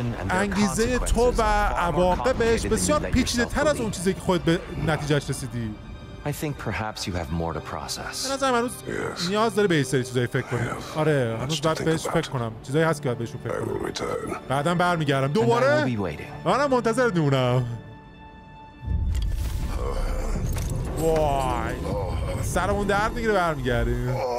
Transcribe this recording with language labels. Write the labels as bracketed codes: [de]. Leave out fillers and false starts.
[fa] انگیزه تو و عواقبش بسیار پیچیده تر از اون چیزی که خودت به نتیجهش رسیدی. [en] I think perhaps you have more to process. [fa] نظرم هنوز نیاز داره به یه سری چیزایی فکر کنم. آره، هنوز باید بهش فکر کنم. چیزایی هست که باید بهشون فکر کنم. بعدم برمیگردم. دوباره؟ آره، منتظرت میمونم. وای. سرمون درد میگیره، برمیگردیم.